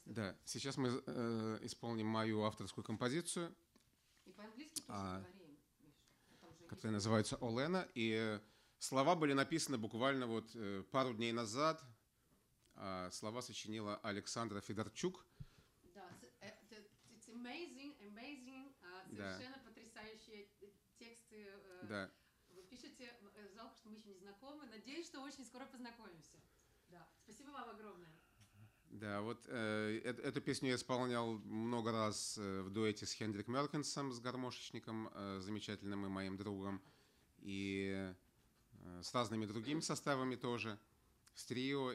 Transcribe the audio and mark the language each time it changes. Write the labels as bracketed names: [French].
[Russian] Да, сейчас мы исполним мою авторскую композицию. И по-английски тоже говорим. Которая называется «Олена». И слова были написаны буквально вот пару дней назад. Слова сочинила Александра Федорчук. [English] Да, it's amazing, amazing. [Russian] Совершенно потрясающие тексты. Да. Жалко, что мы еще не знакомы. Надеюсь, что очень скоро познакомимся. Да. Спасибо вам огромное. Да, вот эту песню я исполнял много раз в дуэте с Хендрик Меркенсом, с гармошечником, замечательным и моим другом, и с разными другими составами тоже, с трио.